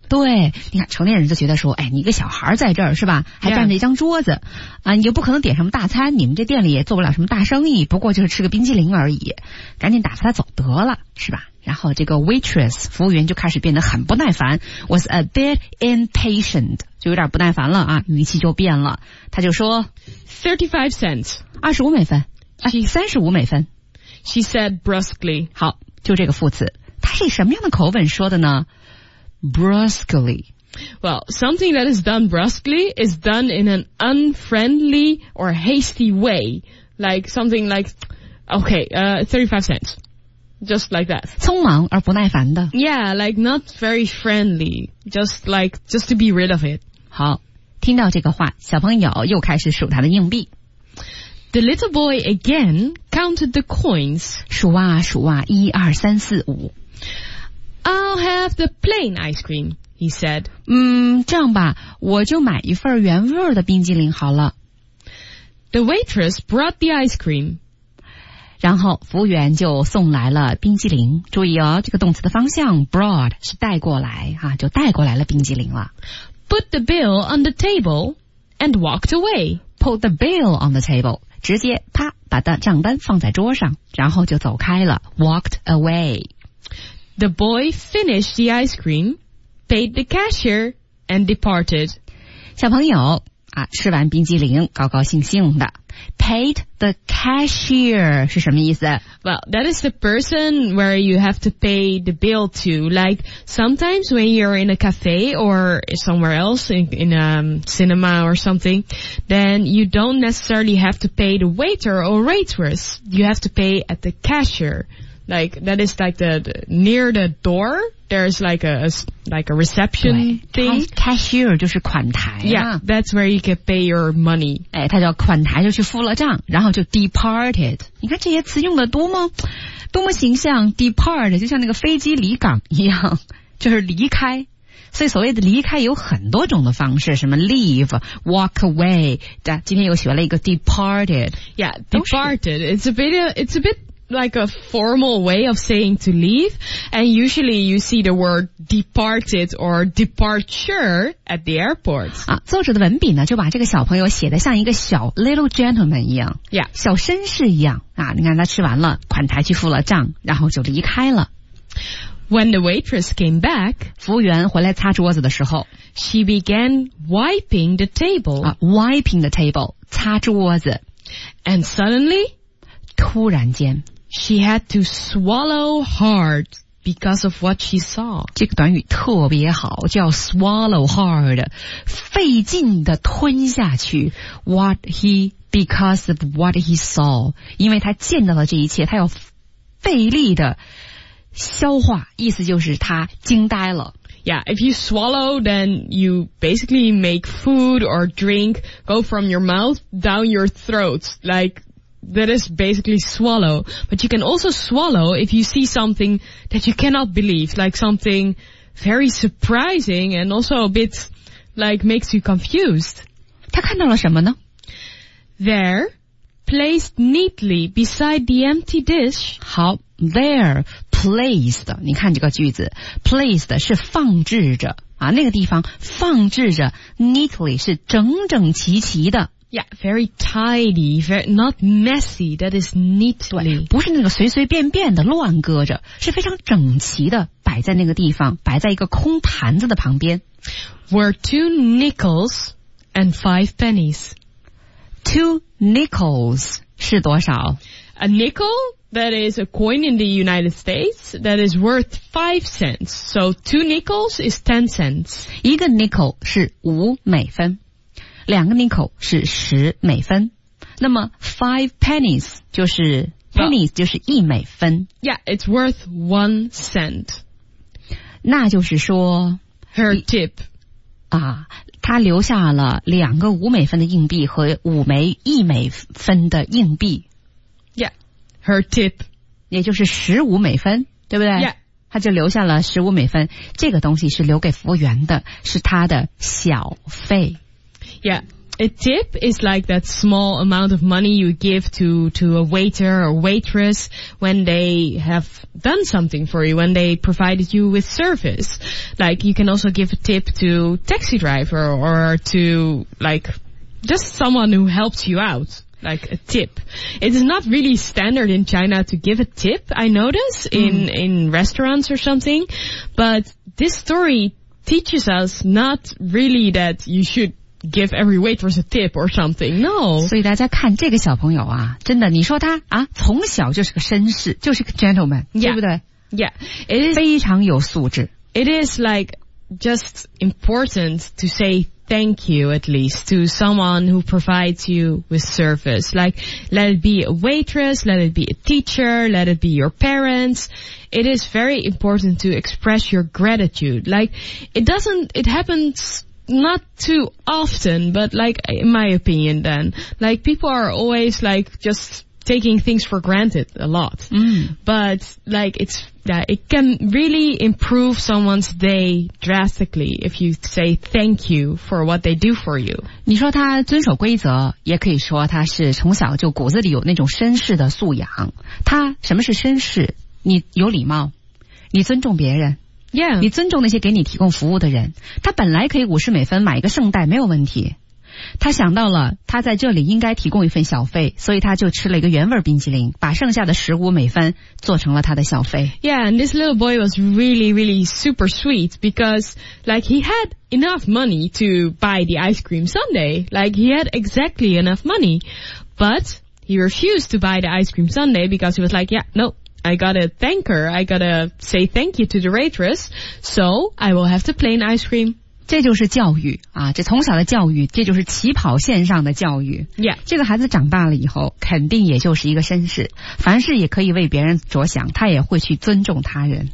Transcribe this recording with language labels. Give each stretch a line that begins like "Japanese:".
Chinese: 对，你看成年人就觉得说，哎，你一个小孩在这儿是吧，还占着一张桌子，啊，你又不可能点什么大餐，你们这店里也做不了什么大生意，不过就是吃个冰淇淋而已，赶紧打发他走得了是吧。然后这个 waitress 服务员就开始变得很不耐烦
English: was a bit impatient
Chinese: 就有点不耐烦了啊，语气就变了，他就说
English: 35 cents
Chinese: 25美分 35 美分
English: she said brusquely
Chinese: 好，就这个副词他是什么样的口吻说的呢 brusquely
English: well something that is done brusquely is done in an unfriendly or hasty way like something like okay 35 centsJust like that.
Chinese: 匆忙而不耐烦的。
English: Yeah, like not very friendly. Just to be rid of it.
Chinese: 好，听到这个话，小朋友又开始数他的硬币。
English: The little boy again counted the coins.
Chinese: 数啊数啊，一二三四五。
English: I'll have the plain ice cream, he said.
Chinese: 这样吧，我就买一份原味的冰激凌好了。
English: The waitress brought the ice cream.
Chinese: 然后服务员就送来了冰激凌，注意哦，这个动词的方向 brought 是带过来啊，就带过来了冰激凌了。
English: Put the bill on the table and walked away. Put the bill on the table,
Chinese: 直接啪把账单放在桌上，然后就走开了
English: walked away. The boy finished the ice cream, paid the cashier and departed.
Chinese: 小朋友啊，吃完冰激凌高高兴兴的。
English: Paid the cashier
Chinese: 是什么意思
English: Well, that is the person where you have to pay the bill to. Like, sometimes when you're in a cafe or somewhere else, in a cinema or something, then you don't necessarily have to pay the waiter or waitress. You have to pay at the cashier. Like, that is like near the door, there's like a reception thing.
Chinese: Cashier 就是款台、啊。
English: Yeah, that's where you can pay your money.
Chinese: 哎，他叫款台就去付了账，然后就 departed. 你看这些词用的多么形象 ,depart, 就像那个飞机离港一样，就是离开。所以所谓的离开有很多种的方式，什么 leave,
English: walk away,
Chinese: 今天又学了一个 departed.
English: Yeah, departed. It's a bit,like a formal way of saying to leave and usually you see the word departed or departure at the airport.
Chinese: 啊，作者的文笔呢就把这个小朋友写得像一个小
English: little gentleman
Chinese: 一样。
English: Yeah.
Chinese: 小绅士一样。啊，你看他吃完了款台去付了账然后就离开了。
English: When the waitress came back,
Chinese: 服务员回来擦桌子的时候
English: she began wiping the table.
Chinese: 啊 ,
English: wiping the table,
Chinese: 擦桌子。
English: And suddenly,
Chinese: 突然间
English: She had to swallow hard because of what she saw.
Chinese: 这个短语特别好叫
English: swallow hard,
Chinese: 费劲地吞下去
English: because of what he saw.
Chinese: 因为他见到了这一切他要费力地消化意思就是他惊呆了。
English: Yeah, if you swallow, then you basically make food or drink go from your mouth down your throat, likeThat is basically swallow. But you can also swallow if you see something that you cannot believe, like something very surprising and also a bit like makes you confused.
Chinese: 他看到了什么呢?
English: There, placed neatly beside the empty dish.
Chinese: 好 there, placed, 你看这个句子 placed 是放置着啊，那个地方放置着 neatly 是整整齐齐的
English: Yeah, very tidy, very not messy. That is neatly.
Chinese: 不是那个随随便便的乱搁着，是非常整齐的摆在那个地方，摆在一个空盘子的旁边。
English: Were two nickels and five pennies. Two nickels
Chinese: 是多少？
English: A nickel, that is a coin in the United States, that is worth 5 cents. So two nickels is 10 cents.
Chinese: 一个 nickel 是五美分。两个 nickel 是十美分，那么
English: five pennies
Chinese: 就是 pennies、well, 就是一美分。
English: Yeah, it's worth 1 cent.
Chinese: 那就是说
English: her tip
Chinese: 啊，她留下了两个五美分的硬币和五枚一美分的硬币。
English: Yeah, her tip
Chinese: 也就是十五美分，对不对
English: ？Yeah,
Chinese: 她就留下了十五美分。这个东西是留给服务员的，是她的小费。
English: Yeah, a tip is like that small amount of money you give to a waiter or waitress when they have done something for you, when they provided you with service. Like, you can also give a tip to taxi driver or to, like, just someone who helps you out. Like, a tip. It is not really standard in China to give a tip, I notice, in restaurants or something. But this story teaches us not really that you should give every waitress a tip or something. No.
Chinese: 所以大家看这个小朋友啊，真的，你说他啊，从小就是个绅士，就是个 gentleman,
English: yeah,
Chinese: 对不对？
English: Yeah. It is
Chinese: 非常有素质。
English: It is like just important to say thank you at least to someone who provides you with service. Like, let it be a waitress, let it be a teacher, let it be your parents. It is very important to express your gratitude. Like, it happens not too often, but like, in my opinion then, like, people are always like, just taking things for granted a lot. Mm. But like, it's, yeah, it can really improve someone's day drastically if you say thank you for what they do for you.
Chinese: 你说他遵守规则，也可以说他是从小就骨子里有那种绅士的素养。他什么是绅士？你有礼貌，你尊重别人。
English: Yeah.
Chinese: 你尊重那些给你提供服务的人，他本来可以五十美分买一个圣代没有问题，他想到了他在这里应该提供一份小费，所以他就吃了一个原味冰淇淋，把剩下的十五美分做成了他的小费。
English: Yeah, and this little boy was really, really super sweet because, like, he had enough money to buy the ice cream sundae. Like, he had exactly enough money, but he refused to buy the ice cream sundae because he was like, yeah, no. I gotta thank her. I gotta say thank you to the waitress. So I will have the plain ice cream.
Chinese: 这就是教育啊，这从小的教育，这就是起跑线上的教育。
English: Yeah.
Chinese: 这个孩子长大了以后，肯定也就是一个绅士，凡事也可以为别人着想，他也会去尊重他人。